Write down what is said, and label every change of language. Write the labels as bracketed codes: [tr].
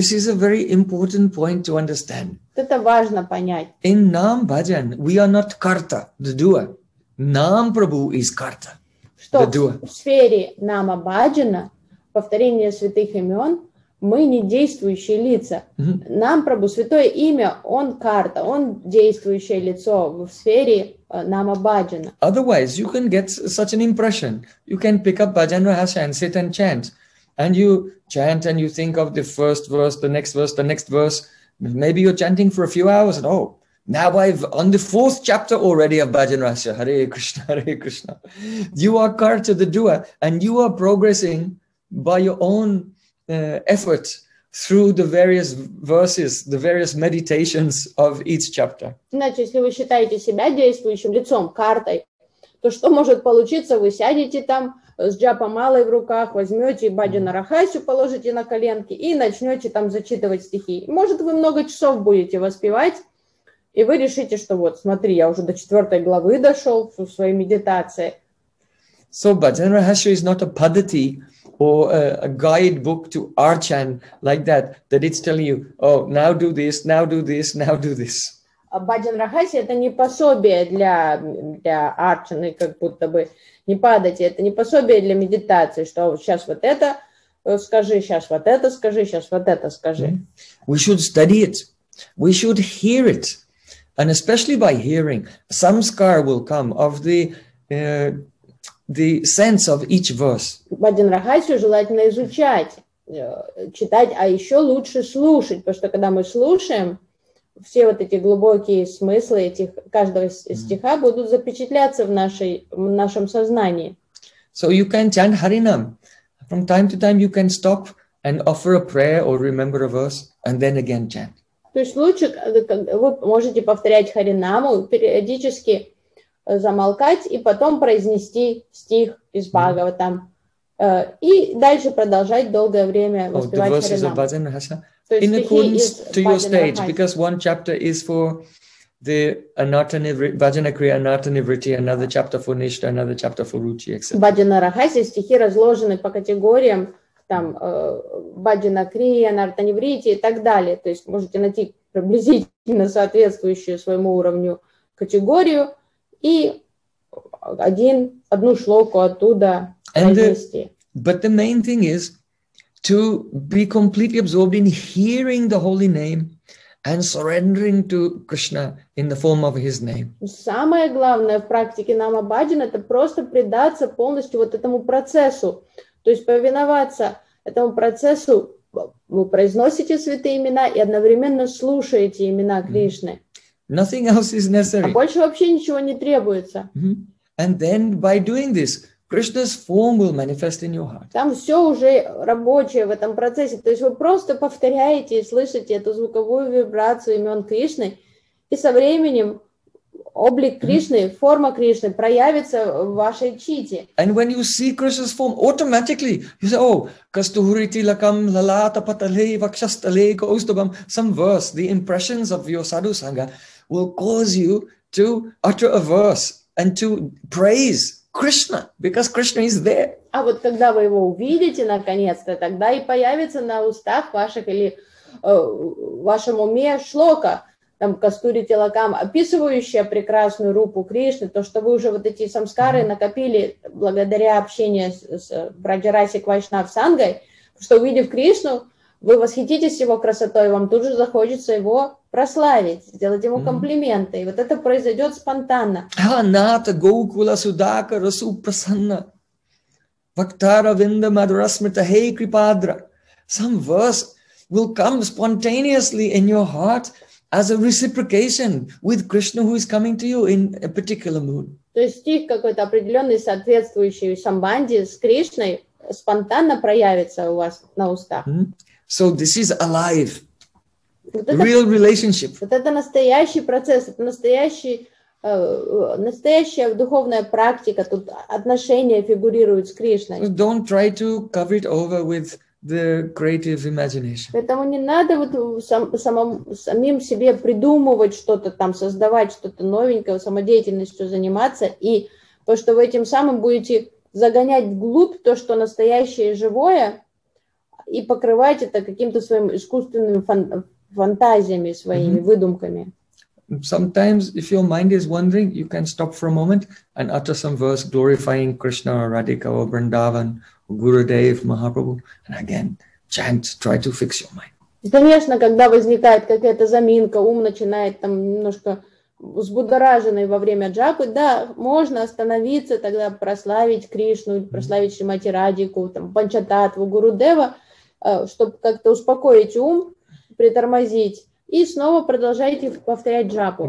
[en] This is a very important point to understand. [ru] Это важно понять. [en] In Nam Bhajan, we are not karta, the doer. Нам Прабху is karta, the doer. [ru] В сфере Нама Бхаджана, повторение святых имен, мы не действующие лица. Нам Прабху, святое имя, он карта, он действующее лицо в сфере Нама Бхаджана. [en] Otherwise, you can get such an impression. You can pick up Bhajan Rahasya and sit and chant. And you chant and you think of the first verse, the next verse, the next verse. Maybe you're chanting for a few hours and oh, now I've on the fourth chapter already of Bhajan Rahasya. Hare Krishna, Hare Krishna. You are karta, the doer, and you are progressing by your own effort through the various verses, the various meditations of each chapter. [ru] Значит, если вы считаете себя действующим лицом, картой, то что может получиться? Вы сядете там с джапа малой в руках, возьмете Бхаджана Рахасю, положите на коленки и начнете там зачитывать стихи. Может, вы много часов будете воспевать, и вы решите, что вот, смотри, я уже до четвертой главы дошел в своей медитации. [en] So Bhajan Rahasya is not a paddhati or a guidebook to Archan like that, that it's telling you, oh, now do this, now do this, now do this. [ru] Баджан Рахаси — это не пособие для арчаны, как будто бы не падайте, это не пособие для медитации, что сейчас вот это скажи, сейчас вот это скажи, сейчас вот это скажи. [en] We should study it. We should hear it. And especially by hearing, samskar will come of the sense of each verse. [ru] Баджан Рахаси желательно изучать, читать, а еще лучше слушать, потому что когда мы слушаем, все вот эти глубокие смыслы этих каждого стиха будут запечатляться в нашем сознании. [en] So you can chant Harinam. From time to time you can stop and offer a prayer or remember a verse and then again chant. [ru] То есть лучше вы можете повторять Харинаму, периодически замолкать и потом произнести стих из Бхагаватам. И дальше продолжать долгое время воспевать Харинам. [en] In accordance to your stage, because one chapter is for the Vajanakriya, Anartanivritti, another chapter for Nishta, another chapter for Ruchi, etc. [ru] Bhajanarahasya, стихи разложены по категориям, там, Bhajanakriya, Anartanivritti и так далее. То есть можете найти приблизительно соответствующую своему уровню категорию и одну шлоку оттуда произнести. [en] But the main thing is, to be completely absorbed in hearing the holy name and surrendering to Krishna in the form of his name. [ru] Самое главное в практике нама баджан — это просто предаться полностью вот этому процессу, то есть повиноваться этому процессу. Вы произносите святые имена и одновременно слушаете имена Кришны. [en] Nothing else is necessary. [ru] А больше вообще ничего не требуется. [en] And then by doing this, Krishna's form will manifest in your heart. [ru] Там все уже рабочее в этом процессе. То есть вы просто повторяете и слышите эту звуковую вибрацию имен Кришны, и со временем облик Кришны, форма Кришны проявится в вашей чите. [en] And when you see Krishna's form, automatically you say, oh, [sa] kasturi tilakam lalata patale vakshastale kaustubam, [en] some verse, the impressions of your sadhu sangha will cause you to utter a verse and to praise Krishna, because Krishna is there. [ru] А вот когда вы его увидите наконец-то, тогда и появится на устах ваших или в вашем уме шлока, там [sa] кастури телакам, [ru] описывающая прекрасную рупу Кришны, то, что вы уже вот эти самскары накопили благодаря общению с Браджараси Квайшнав Сангой, что увидев Кришну, вы восхититесь его красотой, вам тут же захочется его прославить, сделать ему комплименты. И вот это произойдет спонтанно. [sa] Аната гоукула судака расу прасанна вактара винда мадурасмита хей крипадра. [en] Some verse will come spontaneously in your heart as a reciprocation with Krishna, who is coming to you in a particular mood. [ru] То есть стих какой-то определенный, соответствующий самбанди с Кришной, спонтанно проявится у вас на устах. [en] So this is alive. Real relationship. [ru] Вот это настоящий процесс, это настоящая духовная практика. Тут отношения фигурируют с Кришной. [en] So don't try to cover it over with the creative imagination. [ru] Поэтому не надо вот самим себе придумывать что-то там, создавать что-то новенькое, самодеятельностью заниматься, и потому что вы этим самым будете загонять вглубь то, что настоящее и живое, и покрывать это каким-то своим искусственным фантазиями своими, выдумками. [en] Sometimes, if your mind is wandering, you can stop for a moment and utter some verse glorifying Krishna or Radhika or Vrindavan or Gurudev, Mahaprabhu, and again, chant, try to fix your mind. [ru] Конечно, когда возникает какая-то заминка, ум начинает там немножко взбудораженный во время джапы, да, можно остановиться, тогда прославить Кришну, прославить Шримати Радику, там, Панчататву, Гурудева, чтобы как-то успокоить ум, притормозить, и снова продолжайте повторять джапу.